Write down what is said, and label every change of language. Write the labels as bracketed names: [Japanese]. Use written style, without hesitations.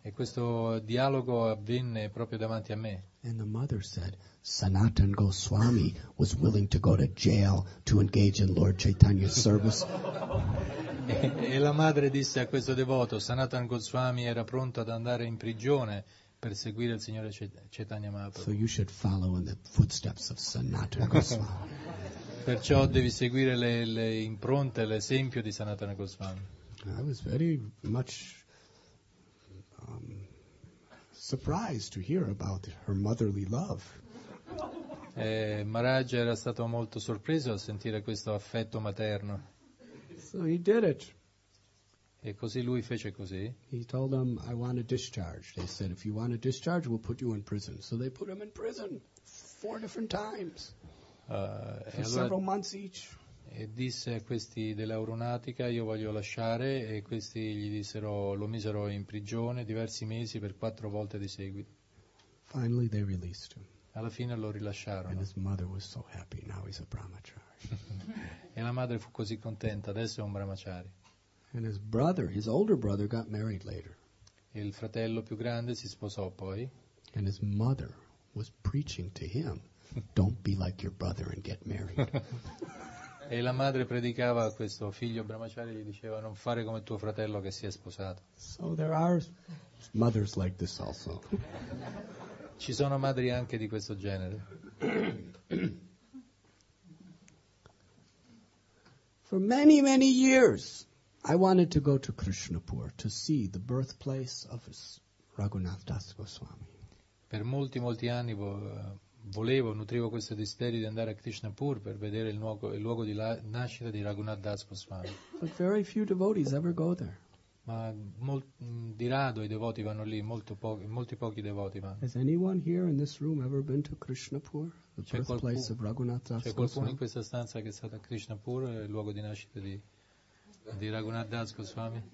[Italian] E questo dialogo avvenne proprio davanti a me. [English] And the mother said, "Sanatan Goswami was willing to go to jail to engage in Lord Chaitanya's service." [Italian] E la madre disse a questo devoto, "Sanatan Goswami era pronto ad andare in prigione per seguire il signore Chaitanya Mahaprabhu." [English] So you should follow in the footsteps of Sanatan Goswami. [Italian] Perciò devi seguire le impronte, l'esempio di Sanatana Goswami. [English] I was very much surprised to hear about her motherly love. [Italian] Maharaj era stato molto sorpreso a sentire questo affetto materno. [English] So he did it. [Italian] E così lui fece così. [English] He told them, "I want a discharge." They said, "If you want a discharge, we'll put you in prison." So they put him in prison 4 different times. Several months each. [Italian] E disse a questi dell'aeronautica, "Io voglio lasciare," e questi gli dissero, lo misero in prigione diversi mesi per 4 volte di seguito. [English] Finally they released him. [Italian] Alla fine lo rilasciarono. [English] And his mother was so happy, now he's a brahmachari. [Italian] E la madre fu così contenta, adesso è un brahmachari. [English] And his brother, his older brother, got married later. [Italian] E il fratello più grande si sposò poi. [English] And his mother was preaching to him, "Don't be like your brother and get married." [Italian] E la madre predicava a questo figlio brahmachari, gli diceva, "Non fare come tuo fratello che si è sposato." [English] So there are mothers like this also. [Italian] Ci sono madri anche di questo genere. [English] For many, many years, I wanted to go to Krishnapur to see the birthplace of his Raghunath Das Goswami. [Italian] Per molti, molti anni volevo, nutrivo questo desiderio di andare a Krishnapur per vedere il luogo di nascita di Raghunath Das Goswami. [English] But very few devotees ever go there. [Italian] Ma di rado i devoti vanno lì, molti pochi devoti vanno. [English] Has anyone here in this room ever been to Krishnapur, the birthplace of Raghunath Das Goswami? [Italian] C'è qualcuno in questa stanza che è stato a Krishnapur, il luogo di nascita di Raghunath Das Goswami?